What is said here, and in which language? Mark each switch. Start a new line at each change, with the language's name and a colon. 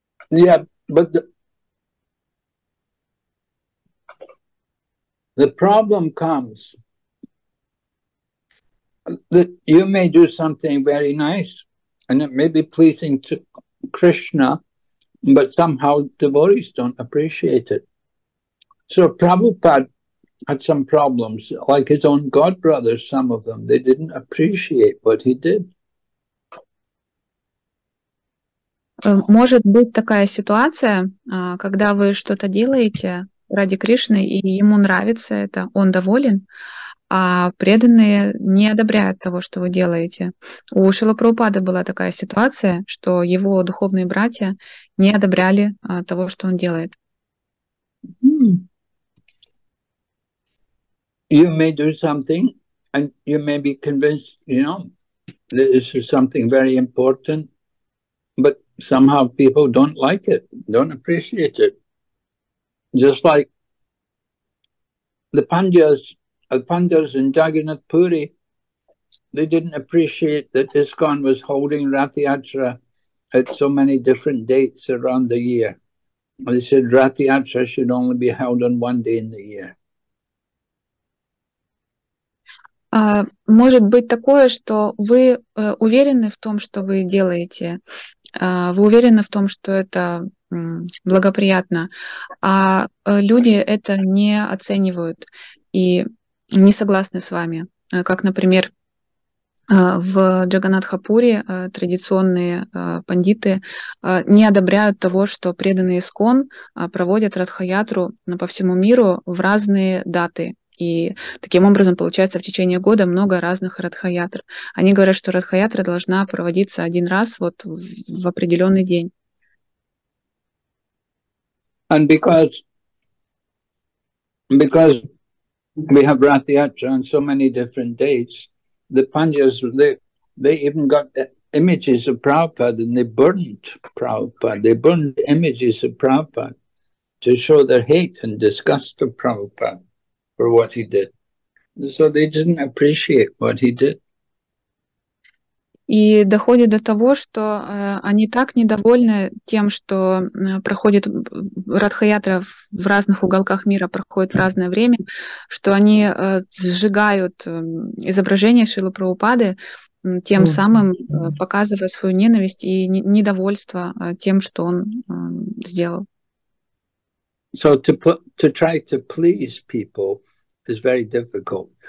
English: Yeah, but the problem comes that you may do something very nice and it may be pleasing to Krishna. But somehow devotees don't appreciate it. So Prabhupada had some problems, like his own god brothers, some of them, they didn't appreciate what he did.
Russian: Может быть такая ситуация, когда вы что-то делаете ради Кришны, и ему нравится это, он доволен, а преданные не одобряют того, что вы делаете. У Шрилы Прабхупады была такая ситуация, что его духовные братья не одобряли того, что он делает.
English: You may do something, and you may be convinced, you know, that this is something very important, but somehow people don't like it, don't appreciate it. Just like the Pandyas, Pandas in Jagannath Puri, they didn't appreciate that ISKCON was holding Rath Yatra at so many different dates around the year. They said Rath Yatra should only be held on one day in the year.
Russian: Может быть такое, что вы уверены в том, что вы делаете, вы уверены в том, что это благоприятно, а люди это не оценивают и не согласны с вами. Как, например, в Джаганатхапуре традиционные пандиты не одобряют того, что преданные ИСККОН проводят Радхаятру по всему миру в разные даты. И таким образом, получается, в течение года много разных радхаятр. Они говорят, что радхаятра должна проводиться один раз вот в определенный день.
English: And because we have radhayatra on so many different dates, the Pandyas, they even got images of Prabhupada and they burned Prabhupada. They burned images of Prabhupada to show their hate and disgust of Prabhupada. For what he did. So they didn't appreciate what he did.
Russian: И доходит до того, что они так недовольны тем, что проходит Радхаятра в разных уголках мира, проходит в разное время, что они сжигают изображения Шрилы Прабхупады, тем самым показывая свою ненависть и недовольство тем, что он сделал.
English: So to try to please people is very difficult.